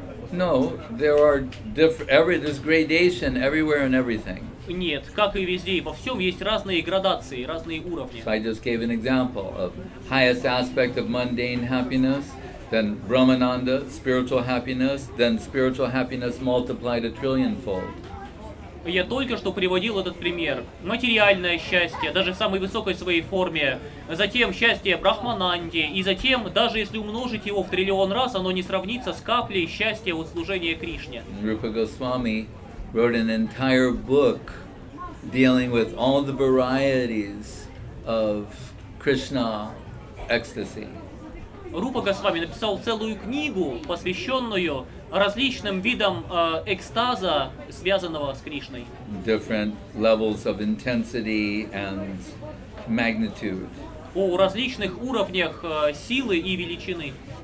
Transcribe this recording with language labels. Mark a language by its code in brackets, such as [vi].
[en] No, there are there's gradation everywhere and everything. [ru] Нет, как и везде, во всем есть разные градации, разные уровни. [en] So I just gave an example of highest aspect of mundane happiness, then Brahmananda, spiritual happiness, then spiritual happiness multiplied a trillionfold. [ru] Я только что приводил этот пример. Материальное счастье, даже в самой высокой своей форме, затем счастье Брахмананде, и затем, даже если умножить его в триллион раз, оно не сравнится с каплей счастья от служения Кришне. [en] Рупа Госвами wrote an entire book dealing with all the varieties of Krishna ecstasy. [ru] Рупа Госвами написал целую книгу, посвященную различным видам экстаза, связанного с Кришной. [en] Different levels of intensity and magnitude. [ru] О различных уровнях силы и величины.